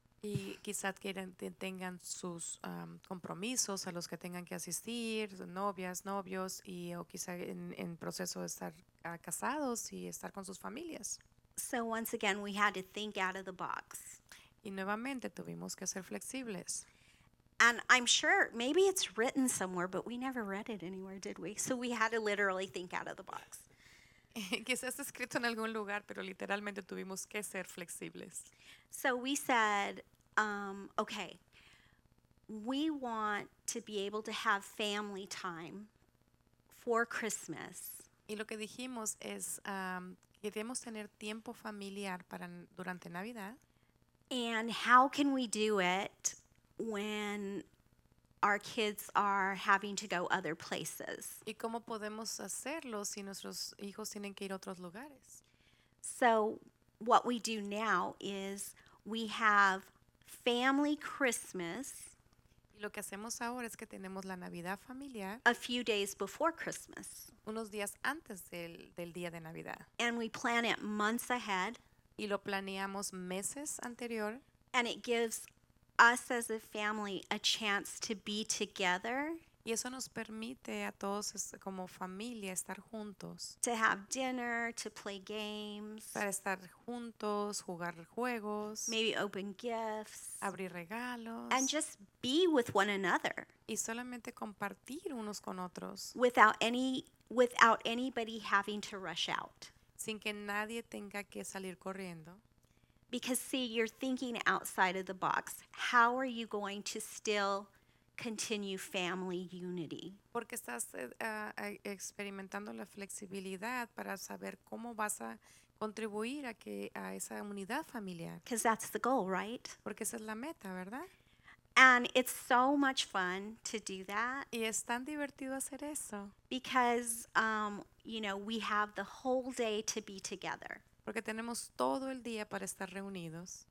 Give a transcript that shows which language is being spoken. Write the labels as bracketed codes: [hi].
[es] Y quizás tengan sus compromisos a los que tengan que asistir, novias, novios, y o quizás en proceso de estar casados y estar con sus familias. [en] So once again, we had to think out of the box. [es] Y nuevamente tuvimos que ser flexibles. [en] And I'm sure maybe it's written somewhere, but we never read it anywhere, did we? So we had to literally think out of the box. [es] Quizás está escrito en algún lugar, pero literalmente tuvimos que ser flexibles. [en] So we said, okay, we want to be able to have family time for Christmas. [es] Y lo que dijimos es, queremos tener tiempo familiar para durante Navidad. [en] And how can we do it when our kids are having to go other places? [es] ¿Y cómo podemos hacerlo si nuestros hijos tienen que ir a otros lugares? [en] So what we do now is we have family Christmas. [es] Y lo que hacemos ahora es que tenemos la Navidad familiar. [en] A few days before Christmas. [es] Unos días antes del día de Navidad. [en] And we plan it months ahead. [es] Y lo planeamos meses anterior. [en] And it gives us as a family a chance to be together. [es] Y eso nos permite a todos como familia estar juntos. [en] To have dinner, to play games. [es] Para estar juntos, jugar juegos. [en] Maybe open gifts. [es] Abrir regalos. [en] And just be with one another. [es] Y solamente compartir unos con otros. [en] Without anybody having to rush out. [es] Sin que nadie tenga que salir corriendo. [en] Because see, you're thinking outside of the box. How are you going to still continue family unity? [es] Porque estás experimentando la flexibilidad para saber cómo vas a contribuir a esa unidad familiar. [en] Because that's the goal, right? [es] Porque esa es la meta, ¿verdad? [en] And it's so much fun to do that. [es] Y es tan divertido hacer eso. [en] Because you know, we have the whole day to be together. [es] Porque tenemos todo el día para estar reunidos.